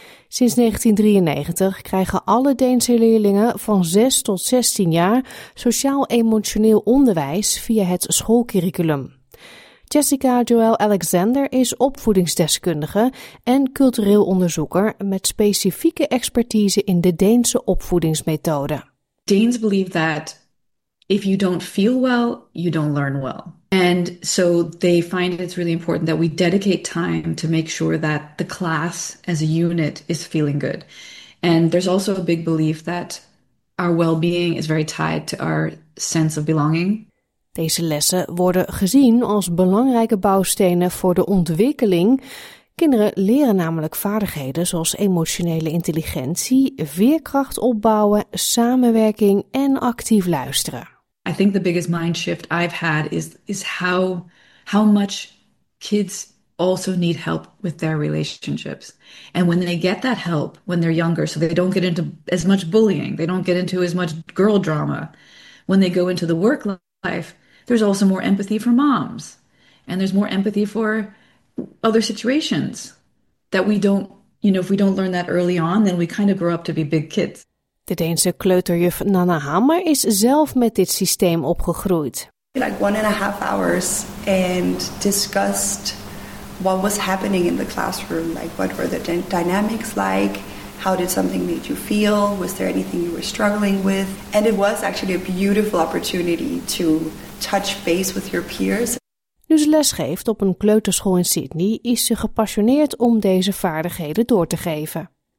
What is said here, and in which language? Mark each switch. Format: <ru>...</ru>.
<nl>Sinds 1993 krijgen alle Deense leerlingen van 6 tot 16 jaar sociaal-emotioneel onderwijs via het schoolcurriculum. Jessica Joel Alexander is opvoedingsdeskundige en cultureel onderzoeker met specifieke expertise in de Deense opvoedingsmethode.</nl> <en>Danes believe that if you don't feel well, you don't learn well. And so they find it's really important that we dedicate time to make sure that the class as a unit is feeling good. And there's also a big belief that our well-being is very tied to our sense of belonging.</en> <nl>Deze lessen worden gezien als belangrijke bouwstenen voor de ontwikkeling. Kinderen leren namelijk vaardigheden zoals emotionele intelligentie, veerkracht opbouwen, samenwerking en actief luisteren.</nl> <en>I think the biggest mind shift I've had is how much kids also need help with their relationships. And when they get that help when they're younger, so they don't get into as much bullying, they don't get into as much girl drama. When they go into the work life, there's also more empathy for moms and there's more empathy for other situations that we don't, you know, if we don't learn that early on, then we kind of grow up to be big kids.</en> <nl>De Deense kleuterjuf Nana Hammer is zelf met dit systeem opgegroeid.</nl> <en>Like 1.5 hours and discussed what was happening in the classroom, like what were the dynamics like? How did something make you feel? Was there anything you were struggling with? And it was actually a beautiful opportunity to touch base with your peers.</en> <nl>Nu ze lesgeeft op een kleuterschool in Sydney, is ze gepassioneerd om deze vaardigheden door te geven.</nl>